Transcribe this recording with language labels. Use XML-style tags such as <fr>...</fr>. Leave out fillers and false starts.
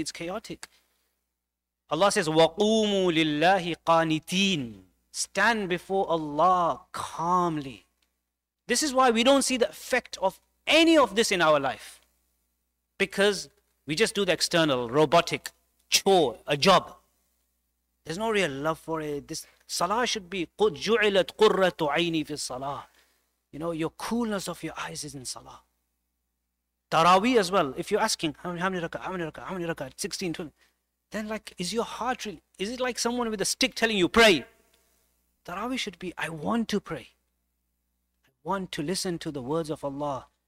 <en>It's chaotic. Allah says,</en> <ar>وَقُومُوا لِلَّهِ قَانِتِينَ.</ar> <en>stand before Allah calmly. This is why we don't see the effect of any of this in our life. Because we just do the external, robotic, chore, a job. There's no real love for it. This salah should be,</en> <ar>قُدْ جُعِلَتْ قُرَّةُ عَيْنِي فِي الصَّلَاةِ.</ar> <en>You know, your coolness of your eyes is in salah. Taraweeh as well. If you're asking, how many rakah? 16, 20. Then like, is your heart really, is it like someone with a stick telling you, pray? Taraweeh should be, I want to pray. I want to listen to the words of Allah.</en>